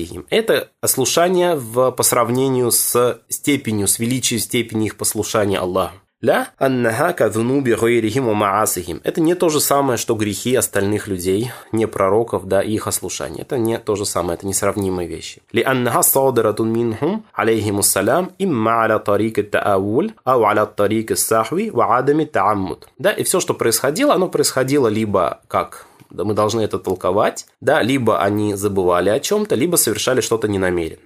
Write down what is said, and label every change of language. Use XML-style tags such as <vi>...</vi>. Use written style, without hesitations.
<ru>Это ослушание в, по сравнению с степенью, с величием степени их послушания Аллаху.</ru> <ar>لا أنها كذنوب غيرهم ومعاصيهم.</ar> <ru>Это не то же самое, что грехи остальных людей, не пророков, да, и их ослушание. Это не то же самое, это несравнимые вещи.</ru> <ar>لأنها صادرت منهم عليهم السلام إما على طريق التأول أو على طريق السحوي وعدم التعمد.</ar> <ru>Да, и все, что происходило, оно происходило либо как? Да, мы должны это толковать, да, либо они забывали о чем-то, либо совершали что-то ненамеренно.</ru>